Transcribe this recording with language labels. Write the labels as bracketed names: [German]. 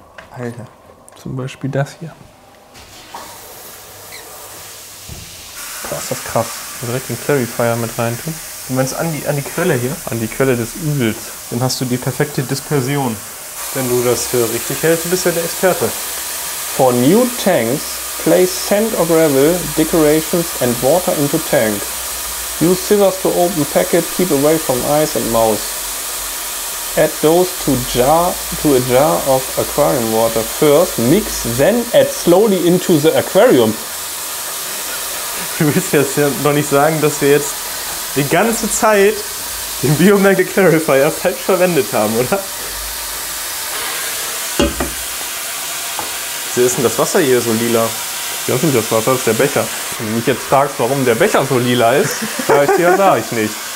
[German] Alter. Zum Beispiel das hier. Boah, ist das krass. Direkt den Clarifier mit rein tun. Du meinst an die Quelle hier? An die Quelle des Übels. Dann hast du die perfekte Dispersion. Wenn du das für richtig hältst, bist du ja der Experte. [English] For new tanks, place sand or gravel, decorations and water into tank. Use scissors to open packet, keep away from eyes and mouth. Add those to a jar of aquarium water first, mix, then add slowly into the aquarium. [German] Du willst jetzt ja noch nicht sagen, dass wir jetzt die ganze Zeit den Biomagnet Clarifier falsch verwendet haben, oder? Wieso ist denn das Wasser hier so lila? Das ist das Wasser, das ist der Becher. Wenn du mich jetzt fragst, warum der Becher so lila ist, sag ich nicht.